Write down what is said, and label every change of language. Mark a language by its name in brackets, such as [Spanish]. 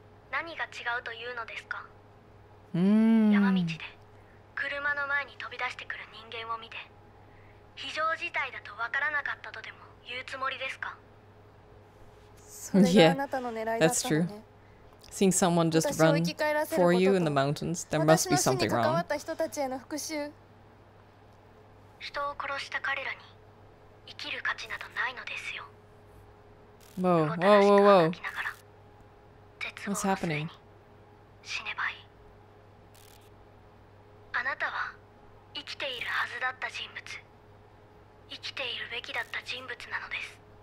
[Japanese] 何が違うというのですか。山道で車の前に飛び出してくる人間を見て非常事態だと分からなかったとでも言うつもりですか。それがあなたの狙いだったのね。 [English] That's true. Seeing someone just run for you in the mountains, there must be something wrong. [Japanese] 私の死に関わった人たちへの復讐。人を殺した彼らに生きる価値などないのですよ。 [English] Whoa, whoa, whoa, whoa. What's happening? [Japanese] あなたは生きているはずだった人物、生きているべきだった人物なのです。